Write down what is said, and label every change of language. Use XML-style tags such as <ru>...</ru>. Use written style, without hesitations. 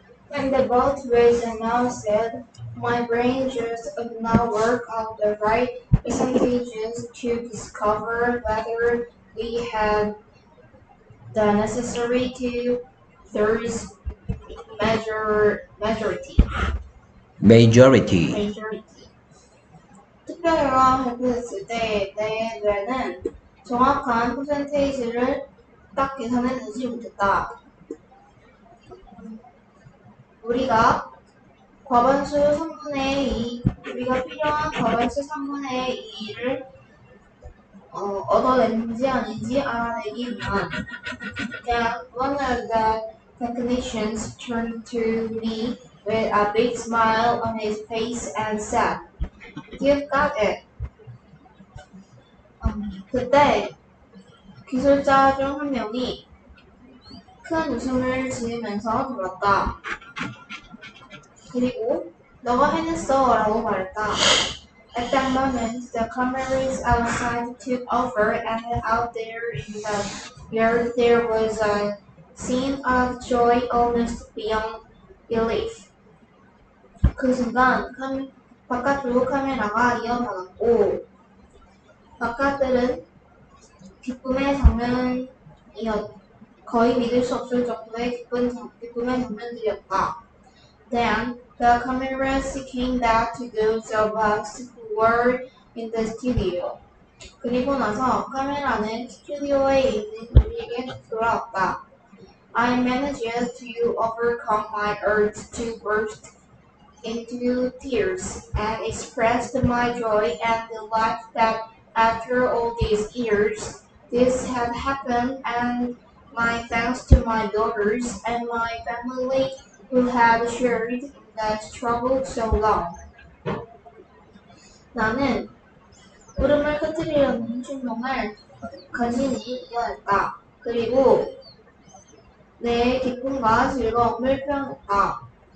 <en>When the boat was announced, my brain just could not work out the right percentages to discover whether we had the necessary to thirds majority. Majority. Majority.</en> <ko>때는 정확한 퍼센테이지를 딱 계산해내지 못했다. 우리가 과반수 3분의 2, 우리가 필요한 과반수 3분의 2를 얻어낸지 아닌지 알아내기 위한.</ko> <en>Yeah, one of the technicians turned to me with a big smile on his face and said, You've got it.</en> <ko>그때 기술자 중 한 명이 큰 웃음을 지으면서 돌았다. 그리고 너가 해냈어 라고 말했다.</ko> <en>At that moment, the comrades outside took over and out there in the yard there was a scene of joy almost beyond belief.</en> <ko>그 순간 바깥으로 카메라가 이어나갔고 바깥들은 기쁨의 장면이었다. 거의 믿을 수 없을 정도의 기쁨의 장면들이었다.</ko> <en>Then, the cameras came back to those of us who were in the studio.</en> <ko>그리고 나서 카메라는 스튜디오에 있는 우리에게 돌아왔다.</ko> <en>I managed to overcome my urge to burst into tears and expressed my joy and delight that after all these years, this had happened and my thanks to my daughters and my family who had shared that struggled so long.</en> <ko>나는 울음을 터뜨리려는 충동을 간신히 이겨냈다. 그리고 내 기쁨과 즐거움을 표현했다.</ko>